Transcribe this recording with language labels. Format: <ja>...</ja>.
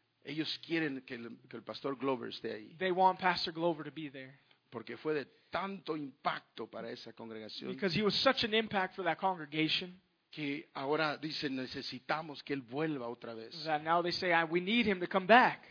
<es>ellos quieren que el pastor Glover esté ahí.</es> <en>They want Pastor Glover to be there.</en> <es>Porque fue de tanto impacto para esa congregación.</es> <en>Because he was such an impact for that congregation.</en> <es>Que ahora dicen, necesitamos que él vuelva otra vez.</es> <en>That now they say, we need him to come back.</en>